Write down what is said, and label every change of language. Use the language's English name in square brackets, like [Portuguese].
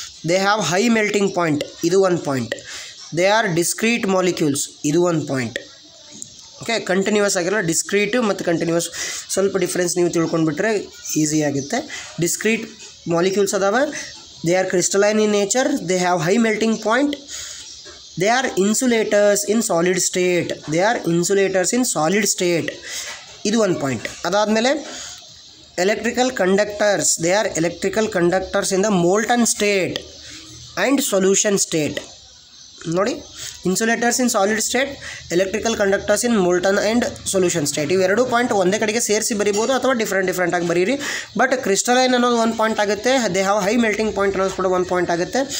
[English] they have high melting point, [Kannada] ಇದು ಒಂದು point. [English] They are discrete molecules, ಇದು ಒಂದು point. [Kannada] ಓಕೆ, ಕಂಟಿನ್ಯೂಸ್ ಆಗಿರೋ ಡಿಸ್ಕ್ರೀಟು ಮತ್ತು ಕಂಟಿನ್ಯೂಸ್ ಸ್ವಲ್ಪ ಡಿಫ್ರೆನ್ಸ್ ನೀವು ತಿಳ್ಕೊಂಡ್ಬಿಟ್ರೆ ಈಸಿ ಆಗುತ್ತೆ. [English] Discrete molecules ಅದಾವೆ, they are crystalline in nature, they have high melting point, they are insulators in solid state. They are insulators in solid state. [Kannada] ಇದು one point. [English] ಅದಾದಮೇಲೆ electrical conductors, they are electrical conductors in the molten state and solution state. ನೋಡಿ, insulators in solid state, electrical conductors in molten and solution state. [Kannada] ಇವೆರಡು point ಒಂದೇ ಕಡೆಗೆ ಸೇರಿಸಿ ಬರೀಬೋದು ಅಥವಾ different ಡಿಫ್ರೆಂಟಾಗಿ ಬರೀರಿ. ಬಟ್ ಕ್ರಿಸ್ಟಲೈನ್ ಅನ್ನೋದು ಒಂದು ಪಾಯಿಂಟ್ ಆಗುತ್ತೆ, [English] they have high melting point [Kannada] ಅನ್ನೋದು ಕೂಡ ಒಂದು ಪಾಯಿಂಟ್ ಆಗುತ್ತೆ.